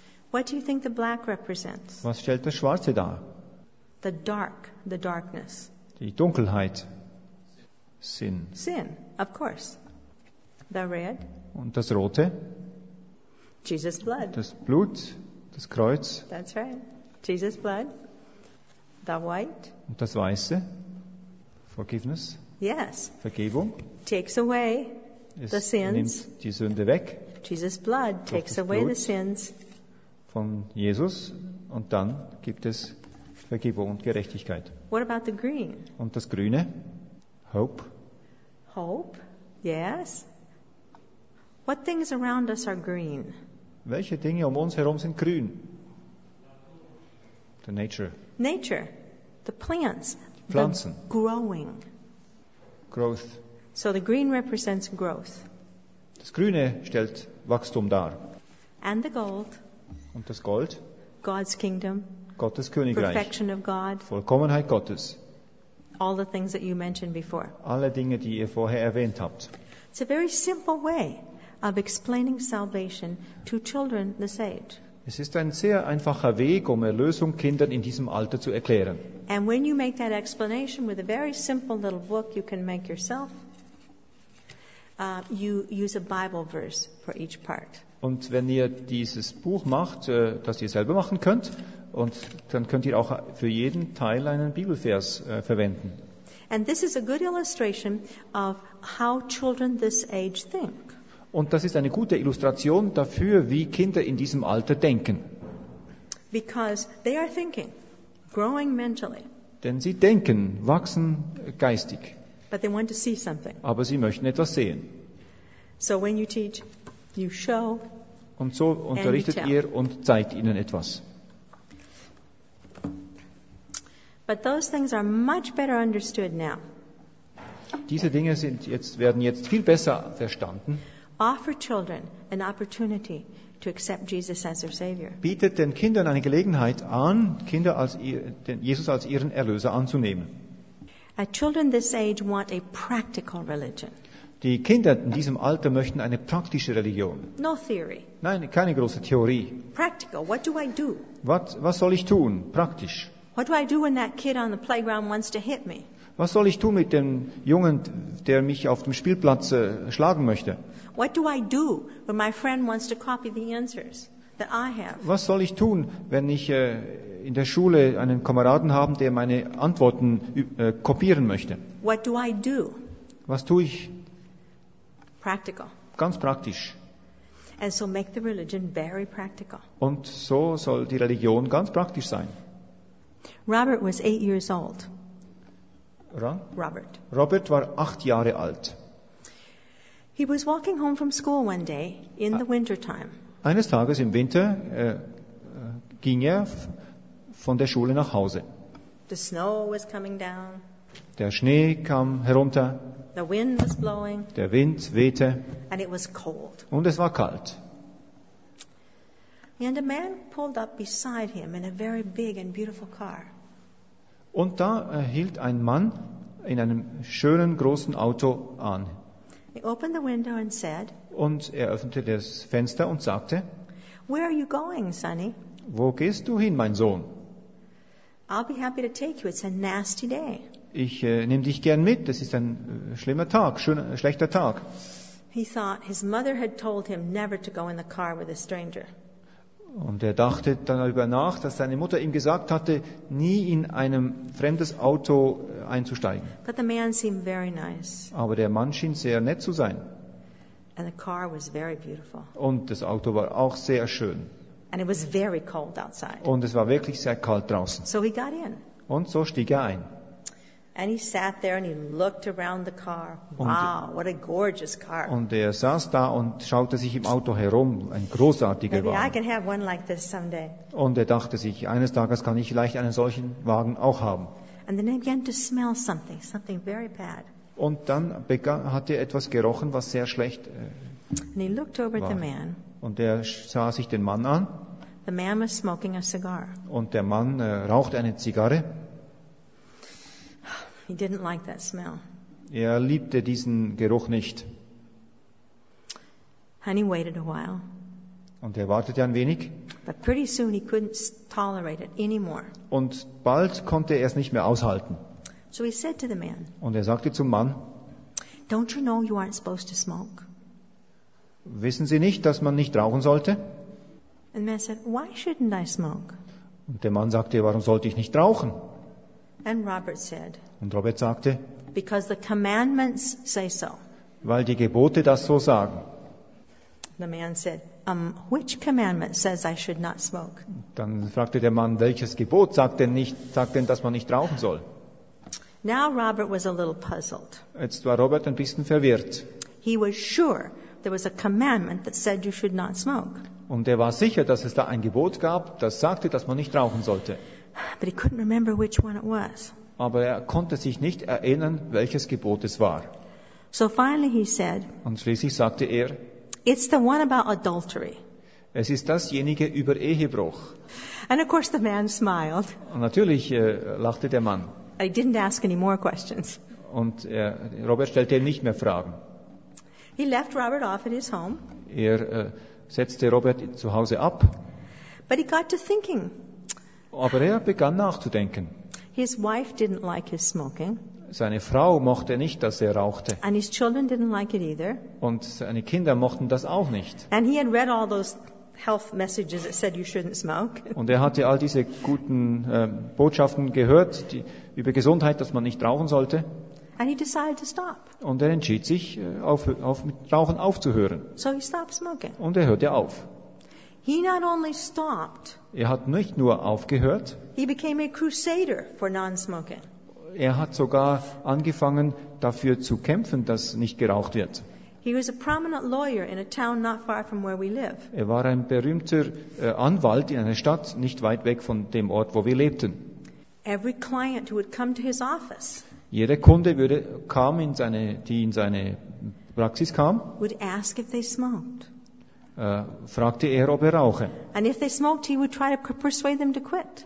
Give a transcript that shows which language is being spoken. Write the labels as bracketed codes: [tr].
[en] What do you think the black represents? [de] Was stellt das Schwarze dar? [en] The dark, the darkness. [de] Die Dunkelheit. [en] Sin. Sin, of course. The red. [de] Und das Rote. [en] Jesus' blood. [de] Das Blut, das Kreuz. [en] That's right. Jesus' blood. The white. [de] Und das Weiße. [en] Forgiveness. Yes. [de] Vergebung. [en] Takes away the sins. [de] Es nimmt die Sünde weg. [en] Jesus' blood takes away the sins. [de] Von Jesus. Und dann gibt es Vergebung und Gerechtigkeit. [en] What about the green? [de] Und das Grüne. [en] Hope. Hope. Yes. What things around us are green? [de] Welche Dinge um uns herum sind grün? [en] The nature. Nature. The plants. [de] Pflanzen. [en] The growing. Growth. So the green represents growth. [de] Das Grüne stellt Wachstum dar. [en] And the gold. [de] Und das Gold. [en] God's kingdom. [de] Gottes Königreich. [en] Perfection of God. [de] Vollkommenheit Gottes. [en] All the things that you mentioned before. [de] Alle Dinge, die ihr vorher erwähnt habt. [en] It's a very simple way of explaining salvation to children this age. [de] Es ist ein sehr einfacher Weg, um Erlösung Kindern in diesem Alter zu erklären. [en] And when you make that explanation with a very simple little book you can make yourself, you use a Bible verse for each part. [de] Und wenn ihr dieses Buch macht, das ihr selber machen könnt, und dann könnt ihr auch für jeden Teil einen Bibelvers verwenden. [en] And this is a good illustration of how children this age think. [de] Und das ist eine gute Illustration dafür, wie Kinder in diesem Alter denken. [en] Because they are thinking, growing mentally. [de] Denn sie denken, wachsen geistig. [en] But they want to see something. [de] Aber sie möchten etwas sehen. [en] So when you teach, you show. [de] Und so unterrichtet ihr und zeigt ihnen etwas. [en] But those things are much better understood now. [de] Diese Dinge sind jetzt, werden jetzt viel besser verstanden. [en] Offer children an opportunity to accept Jesus as their Savior. [de] Bietet den Kindern eine Gelegenheit an, Kinder als Jesus als ihren Erlöser anzunehmen. [en] Children this age want a practical religion. [de] Die Kinder in diesem Alter möchten eine praktische Religion. [en] No theory. [de] Nein, keine große Theorie. [en] Practical. What do I do? [de] Was soll ich tun? Praktisch. [en] What do I do when that kid on the playground wants to hit me? [de] Was soll ich tun mit dem Jungen, der mich auf dem Spielplatz schlagen möchte? [en] What do I do when my friend wants to copy the answers that I have? [de] Was soll ich tun, wenn ich in der Schule einen Kameraden habe, der meine Antworten kopieren möchte? [en] What do I do? [de] Was tue ich? [en] Practical. [de] Ganz praktisch. [en] And so make the religion very practical. [de] Und so soll die Religion ganz praktisch sein. [en] Robert was 8 years old. Robert. [de] Robert war 8 Jahre alt. [en] He was walking home from school one day in the winter time. [de] Eines Tages im Winter ging er von der Schule nach Hause. [en] The snow was coming down. [de] Der Schnee kam herunter. [en] The wind was blowing. [de] Der Wind wehte. [en] And it was cold. [de] Und es war kalt. [en] And a man pulled up beside him in a very big and beautiful car. [de] Und da hielt ein Mann in einem schönen großen Auto an. [en] He opened the window and said, [de] und er öffnete das Fenster und sagte, [en] "Where are you going, Sonny?" [de] Wo gehst du hin, mein Sohn? [en] "I'll be happy to take you. It's a nasty day." [de] Ich nehme dich gern mit. Das ist ein schlimmer Tag, schlechter Tag. [en] He thought his mother had told him never to go in the car with a stranger. [de] Und er dachte darüber nach, dass seine Mutter ihm gesagt hatte, nie in ein fremdes Auto einzusteigen. [en] But the man seemed very nice. [de] Aber der Mann schien sehr nett zu sein. [en] And the car was very beautiful. [de] Und das Auto war auch sehr schön. [en] And it was very cold outside. [de] Und es war wirklich sehr kalt draußen. [en] So he got in. [de] Und so stieg er ein. [en] And he sat there and he looked around the car. Wow, what a gorgeous car. [de] Und er saß da und schaute sich im Auto herum, ein großartiger [en] Maybe [de] Wagen. [en] I can have one like this someday. [de] Und er dachte sich, eines Tages kann ich vielleicht einen solchen Wagen auch haben. [en] And then he began to smell something, something very bad. [de] Und dann hat er etwas gerochen, was sehr schlecht [en] And he looked over [de] war. [en] At the man. [de] Und er sah sich den Mann an. [en] The man was smoking a cigar. [de] Und der Mann raucht eine Zigarre. [en] He didn't like that smell. [de] Er liebte diesen Geruch nicht. [en] And he waited a while. [de] Und er wartete ein wenig. [en] But pretty soon he couldn't tolerate it anymore. [de] Und bald konnte er es nicht mehr aushalten. [en] So he said to the man. [de] Und er sagte zum Mann. [en] Don't you know you aren't supposed to smoke? [de] Wissen Sie nicht, dass man nicht rauchen sollte? [en] And the man said, why shouldn't I smoke? [de] Und der Mann sagte, warum sollte ich nicht rauchen? [en] And Robert said, [de] und Robert sagte, [en] because the commandments say so. [de] Weil die Gebote das so sagen. [en] The man said, which commandment says I should not smoke? [de] Dann fragte der Mann, welches Gebot sagt denn, dass man nicht rauchen soll? [en] Now Robert was a little puzzled. [de] Jetzt war Robert ein bisschen verwirrt. [en] He was sure there was a commandment that said you should not smoke. [de] Und er war sicher, dass es da ein Gebot gab, das sagte, dass man nicht rauchen sollte. [en] But he couldn't remember which one it was. [de] Aber er konnte sich nicht erinnern, welches Gebot es war. [en] So finally he said, [de] und schließlich sagte er, [en] it's the one about adultery. [de] Es ist dasjenige über Ehebruch. [en] And of course the man smiled. [de] Und natürlich lachte der Mann. [en] I didn't ask any more questions. [de] Und Robert stellte ihm nicht mehr Fragen. [en] He left Robert off at his home. [de] Er setzte Robert zu Hause ab. [en] But he got to thinking. [de] Aber er begann nachzudenken. [en] His wife didn't like his smoking. [de] Seine Frau mochte nicht, dass er rauchte. [en] And his children didn't like it either. [de] Und seine Kinder mochten das auch nicht. [en] And he had read all those health messages that said you shouldn't smoke. [de] Und er hatte all diese guten Botschaften gehört, die, über Gesundheit, dass man nicht rauchen sollte. [en] And he decided to stop. [de] Und er entschied sich, auf mit Rauchen aufzuhören. [en] So he stopped smoking. [de] Und er hörte auf. [en] He not only stopped. [de] Er hat nicht nur aufgehört. [en] He became a crusader for non-smoking. [de] Er hat sogar angefangen, dafür zu kämpfen, dass nicht geraucht wird. [en] He was a prominent lawyer in a town not far from where we live. [de] Er war ein berühmter Anwalt in einer Stadt nicht weit weg von dem Ort, wo wir lebten. [en] Every client who would come to his office. [de] Jeder Kunde die in seine Praxis kam. [en] Would ask if they smoked. [de] Fragte er, ob er rauche. [en] And if they smoked, he would try to persuade them to quit.